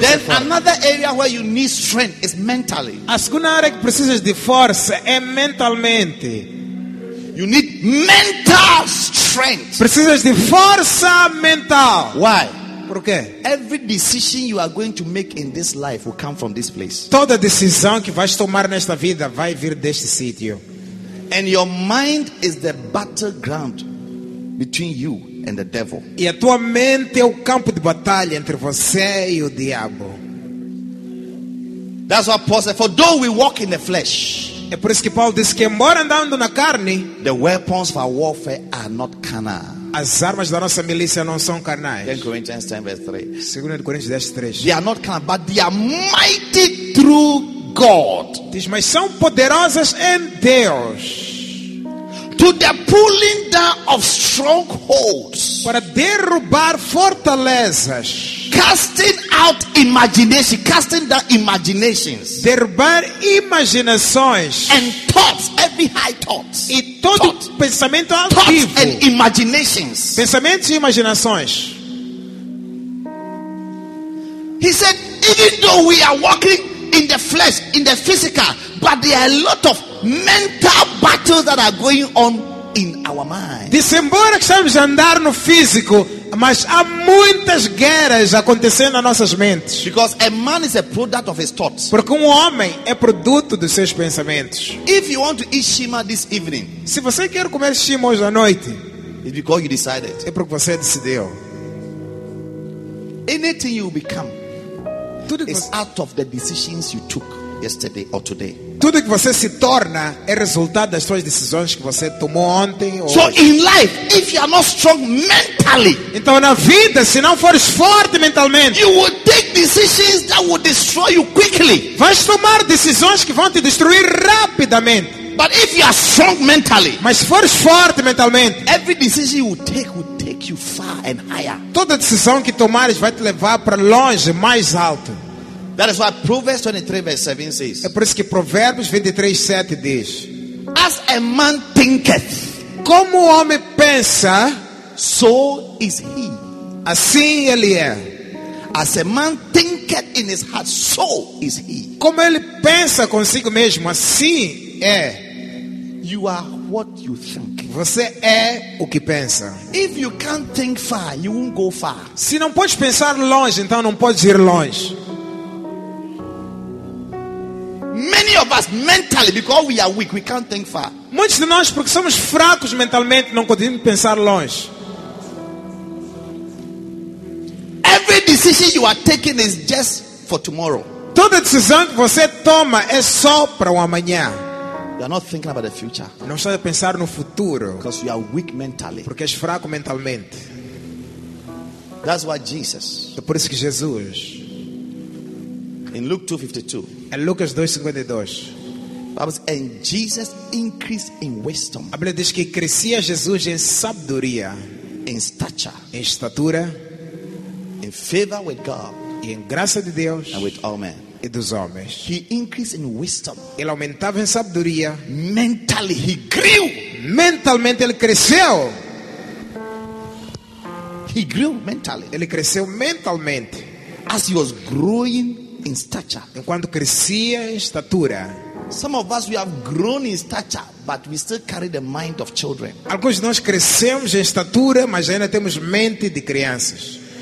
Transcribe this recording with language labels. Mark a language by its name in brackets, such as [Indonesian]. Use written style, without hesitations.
[English] then another area where you need strength is mentally. [Portuguese] A segunda área que precisas de força é mentalmente. [English] You need mental strength. [Portuguese] Precisas de força mental. [English] Why? [Portuguese] Porque [English] every decision you are going to make in this life will come from this place. [Portuguese] Toda decisão que vais tomar nesta vida vai vir deste sítio. [English] And your mind is the battleground between you and the devil. [Portuguese] E a tua mente é o campo de batalha entre você e o diabo. [English] That's what Paul said. For though we walk in the flesh. [Portuguese] É por isso que Paulo disse que embora andando na carne, [English] the weapons for warfare are not carnal. [Portuguese] As armas da nossa milícia não são carnais. [English] 2 Coríntios 10:3. [Portuguese] 2 Coríntios 10:3. [English] They are not carnal, but they are mighty through God. [Portuguese] Diz, mas são poderosas em Deus. [English] To the pulling down of strongholds. [Portuguese] Para derrubar fortalezas. [English] Casting out imagination, casting down imaginations. [Portuguese] Derrubar imaginações. [English] And thoughts, every high thought. [Portuguese] E todo [English] thought. [Portuguese] Pensamento altivo. [English] Thoughts and imaginations. [Portuguese] Pensamentos e imaginações. [English] He said, even though we are walking in the flesh, in the physical, but there are a lot of mental battles that are going on in our mind. [Portuguese] Diz, embora que estamos a andar no físico, mas há muitas guerras acontecendo nas nossas mentes. [English] Because a man is a product of his thoughts. [Portuguese] Porque homem é produto dos seus pensamentos. [English] If you want to eat shima this evening, [Portuguese] se você quer comer shima hoje à noite, [English] it's because you decided. [Portuguese] É porque você decidiu. [English] Anything you become, [Portuguese] tudo que [English] is out of the decisions you took. yesterday or today. [Portuguese] Tudo que você se torna é resultado das suas decisões que você tomou ontem ou [English] so [Portuguese] hoje. [English] In life, if you are not strong mentally, [Portuguese] então na vida, se não fores forte mentalmente, [English] you will take decisions that will destroy you quickly. [Portuguese] Vais tomar decisões que vão te destruir rapidamente. [English] But if you are strong mentally, [Portuguese] mas se fores forte mentalmente, [English] every decision you take will take you far and higher. [Portuguese] Toda decisão que tomares vai te levar para longe, mais alto. [English] That is why Proverbs 23 verse 7 says. [Portuguese] É por isso que Provérbios 23, 7 diz. [English] As a man thinketh, [Portuguese] como o homem pensa, [English] so is he. [Portuguese] Assim ele é. [English] As a man thinketh in his heart, so is he. [Portuguese] Como ele pensa consigo mesmo, assim é. [English] You are what you think. [Portuguese] Você é o que pensa. [English] If you can't think far, you won't go far. [Portuguese] Se não podes pensar longe, então não podes ir longe. [English] Many of us mentally, because we are weak, we can't think far. [Portuguese] Muitos de nós, porque somos fracos mentalmente, não conseguimos pensar longe. [English] Every decision you are taking is just for tomorrow. [Portuguese] Toda decisão que você toma é só para o amanhã. [English] You are not thinking about the future. [Portuguese] Não está a pensar no futuro. [English] Because you are weak mentally. [Portuguese] Porque és fraco mentalmente. [English] That's why Jesus. [Portuguese] É por isso que Jesus. [English] In Luke 2:52. [Portuguese] Em Lucas 2:52. [English] Bible says, and Jesus increased in wisdom. [Portuguese] A Bíblia diz que crescia Jesus em sabedoria, [English] in stature, [Portuguese] em estatura, [English] in favor with God, [Portuguese] e em graça de Deus, [English] and with all men, [Portuguese] e dos homens. [English] He increased in wisdom. [Portuguese] Ele aumentava em sabedoria. [English] Mentally he grew. [Portuguese] Mentalmente ele cresceu. [English] He grew mentally. [Portuguese] Ele cresceu mentalmente. [English] As he was growing in stature. [Portuguese] Enquanto crescia em estatura. [English] Some of us we have grown in stature, but we still carry the mind of children. [Portuguese] Alguns de nós crescemos em estatura, mas ainda temos mente de crianças.